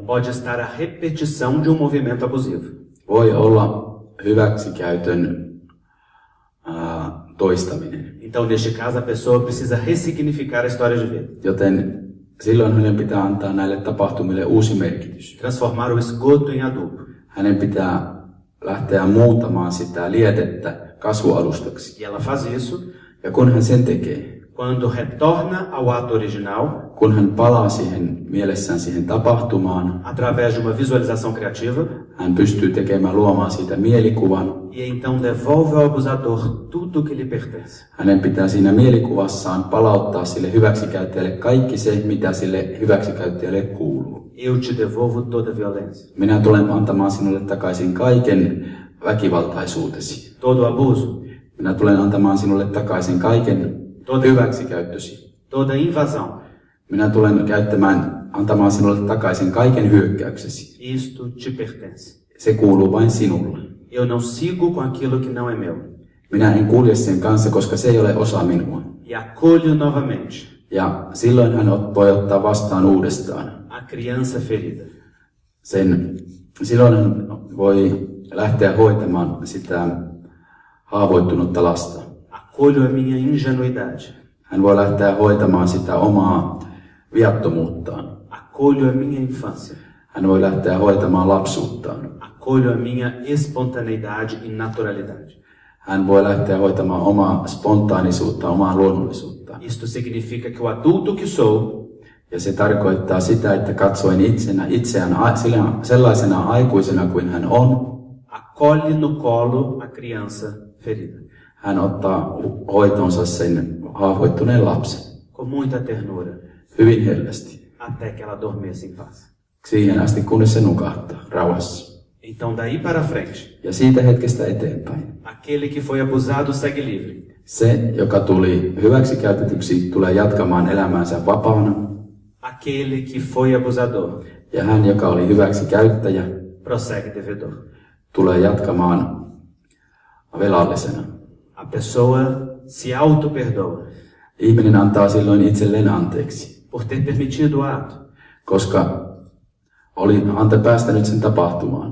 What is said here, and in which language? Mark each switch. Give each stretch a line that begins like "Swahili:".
Portuguese: Pode estar a repetição de movimento abusivo.
Finnish: Voi olla hyväksikäytön toistaminen.
Portuguese: Então neste caso a pessoa precisa ressignificar a história de vida.
Finnish: Joten silloin hänen pitää antaa näille tapahtumille uusi merkitys.
Portuguese: Transformar o esgoto em adubo.
Finnish: Hänen pitää lähteä muuttamaan sitä lietettä kasvualustaksi.
Portuguese: E ela faz isso.
Finnish: Ja kun hän sen tekee.
Portuguese: Quando retorna ao ato original.
Finnish: Kun hän palaa siihen mielessään siihen tapahtumaan.
Portuguese: Através de uma visualização criativa.
Finnish: Hän pystyy tekemään luomaan siitä mielikuvan.
Portuguese: E então devolve ao abusador tudo que lhe pertence.
Finnish: Hänen pitää siinä mielikuvassaan palauttaa sille hyväksikäyttäjälle kaikki se, mitä sille hyväksikäyttäjälle kuuluu.
Portuguese: Eu te devolvo toda a violência.
Finnish: Minä tulen antamaan sinulle takaisin kaiken väkivaltaisuutesi.
Portuguese: Todo abuso.
Finnish: Minä tulen antamaan sinulle takaisin kaiken hyväksikäyttösi.
Portuguese: Toda invasão.
Finnish: Minä tulen antamaan sinulle takaisin kaiken hyökkäyksesi.
Portuguese: Isto te pertence.
Finnish: Se kuuluu vain sinulle.
Portuguese: Eu não sigo com aquilo que não é meu.
Finnish: Minä en kulje sen kanssa, koska se ei ole osa minua.
Portuguese: E acolho novamente.
Finnish: Ja silloin hän voi ottaa vastaan uudestaan.
Portuguese: A criança ferida.
Finnish: Sen, silloin hän voi lähteä hoitamaan sitä haavoittunutta lasta.
Portuguese: Acolho a minha ingenuidade.
Finnish: Hän voi lähteä hoitamaan sitä omaa viattomuuttaan.
Portuguese: Acolho a minha infância.
Finnish: Hän voi lähteä hoitamaan lapsuuttaan.
Portuguese: Acolho a minha espontaneidade e naturalidade.
Finnish: Hän voi lähteä hoitamaan omaa spontaanisuutta, omaa luonnollisuutta.
Portuguese: Isto significa que o adulto que sou.
Finnish: Ja se tarkoittaa sitä, että katsoin itseään sellaisena aikuisena kuin hän on.
Portuguese: Acolhe no colo a criança ferida.
Finnish: Hän ottaa hoitonsa sen haavoittuneen lapsen.
Portuguese: Com muita ternura.
Finnish: Hyvin hellästi.
Portuguese: Até que ela dormisse em paz.
Finnish: Siihen asti, kunnes se nukahtaa rauhassa.
Portuguese: Então daí para frente.
Finnish: Ja siitä hetkestä eteenpäin.
Portuguese: Aquele que foi abusado segue livre.
Finnish: Se, joka tuli hyväksikäytetyksi, tulee jatkamaan elämäänsä vapaana.
Portuguese: Aquele que foi abusador.
Finnish: Ja hän, joka oli hyväksikäyttäjä,
Portuguese: prossegue devedor.
Finnish: Tulee jatkamaan velallisena.
Portuguese: A pessoa se auto perdoa.
Finnish: Ihminen antaa silloin itselleen anteeksi.
Portuguese: Por ter permitido o ato.
Finnish: Koska olin antanut päästänyt sen tapahtumaan.